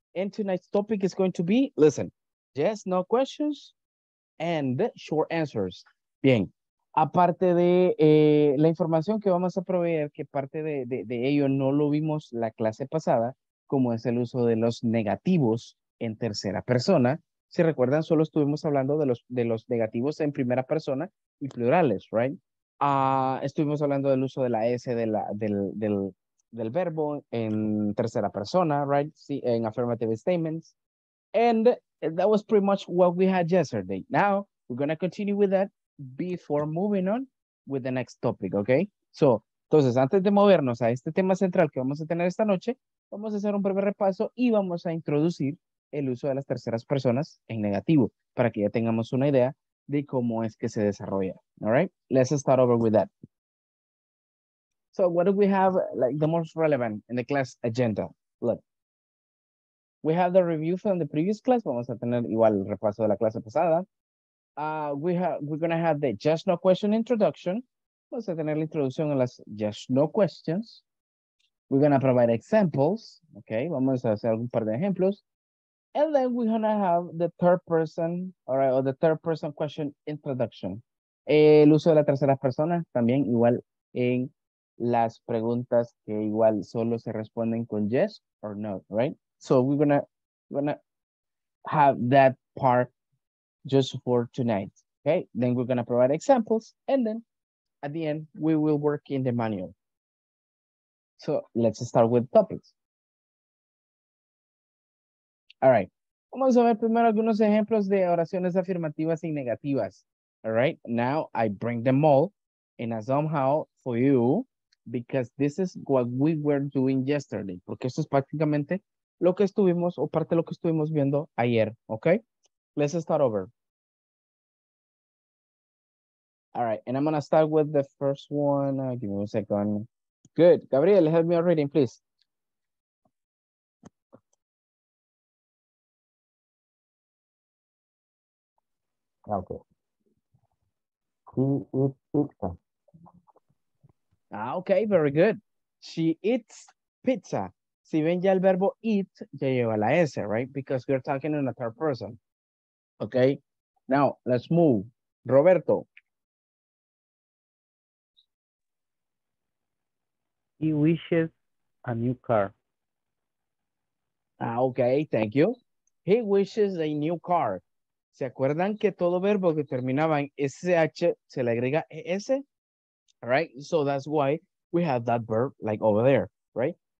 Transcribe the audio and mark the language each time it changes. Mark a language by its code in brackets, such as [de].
[en] And tonight's topic is going to be, listen, yes, no questions, and short answers. [es] Bien, aparte de la información que vamos a proveer, que parte de ello no lo vimos la clase pasada, como es el uso de los negativos en tercera persona. Si recuerdan, solo estuvimos hablando de los negativos en primera persona y plurales, right? Estuvimos hablando del uso de la S del verbo en tercera persona, right? Sí, en affirmative statements. [en] And that was pretty much what we had yesterday. Now, we're going to continue with that before moving on with the next topic, okay? [es] So, entonces, antes de movernos a este tema central que vamos a tener esta noche, vamos a hacer un breve repaso y vamos a introducir el uso de las terceras personas en negativo para que ya tengamos una idea de cómo es que se desarrolla. [en] All right, let's start over with that. So what do we have, like, the most relevant in the class agenda? Look, we have the review from the previous class. [es] Vamos a tener igual el repaso de la clase pasada. [en] We're going to have the just no question introduction. [es] Vamos a tener la introducción a las just no questions. [en] We're going to provide examples. [es] Okay, vamos a hacer un par de ejemplos. [en] And then we're going to have the third person, all right, or the third person question introduction. [es] El uso de la tercera persona también, igual en las preguntas que igual solo se responden con [en] yes or no, right? So we're gonna have that part just for tonight, okay? Then we're gonna provide examples, and then at the end, we will work in the manual. So let's start with topics. All right, [es] Vamos a ver primero algunos ejemplos de oraciones afirmativas y negativas. [en] All right, now I bring them all in a somehow for you because this is what we were doing yesterday. [es] Porque esto es prácticamente lo que estuvimos o parte de lo que estuvimos viendo ayer. [en] Okay, let's start over. All right, and I'm going to start with the first one. Give me a second. Good. Gabriel, help me out reading, please. Okay. She eats pizza. Okay, very good. She eats pizza. [es] Si ven ya el verbo eat, ya lleva la S, right? [en] Because we're talking in a third person. Okay, now let's move. Roberto. He wishes a new car. Okay, thank you. He wishes a new car. [es] ¿Se acuerdan que todo verbo que terminaba en SH se le agrega ES? [en] All right, so that's why we have that verb like over there, right?